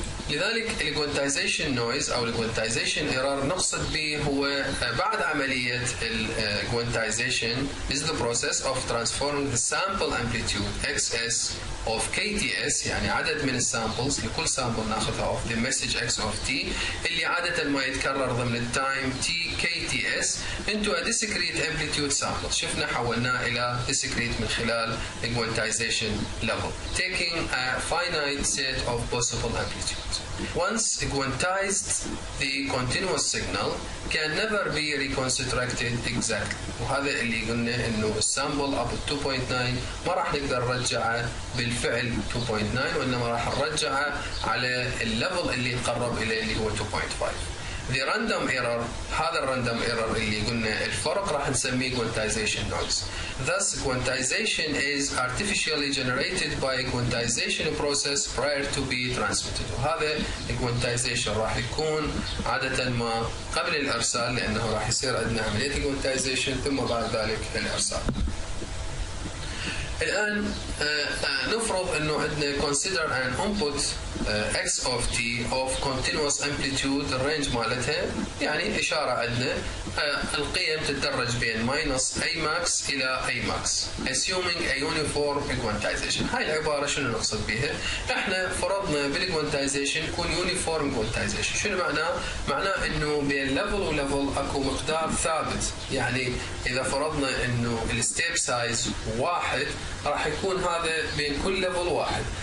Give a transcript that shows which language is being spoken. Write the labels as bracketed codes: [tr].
[ar] لذلك الكوانتايزيشن نويز او الكوانتايزيشن ايرور نقصد به هو بعد عمليه الكوانتايزيشن [en] is the process of transforming the sample amplitude xs of KTS، [ar] يعني عدد من السامبلز لكل سامبل ناخذها [en] of the message x of t [ar] اللي عاده ما يتكرر ضمن التايم t [en] KTS into a discrete amplitude sample. [ar] شفنا حولناه الى discrete من خلال الكوانتايزيشن [en] level taking a finite set of possible amplitudes. Once quantized, the continuous signal can never be reconstructed exactly. [ar] وهذا اللي قلنا انه السامبل ابو 2.9 ما راح نقدر نرجعه بالفعل 2.9، وانما راح نرجعه على الليفل اللي قرب اليه اللي هو 2.5. [en] The random error، [ar] هذا الراندوم ايرور اللي قلنا الفرق راح نسميه [en] quantization noise. Thus quantization is artificially generated by a quantization process prior to be transmitted. [ar] وهذا quantization راح يكون عادة ما قبل الإرسال، لأنه راح يصير عندنا عملية quantization ثم بعد ذلك الإرسال. الآن نفرض أنه عندنا [en] consider an input x of t of continuous amplitude [ar] الرينج مالتها يعني إشارة عندنا القيم تتدرج بين [en] minus a max [ar] إلى [en] a max assuming a uniform quantization. [ar] هاي العبارة شنو نقصد بها؟ إحنا فرضنا بالquantization يكون uniform quantization. شنو معناه؟ معناه إنه بين level و level أكو مقدار ثابت. يعني إذا فرضنا إنه الستيب سايز واحد راح يكون هذا بين كل level واحد.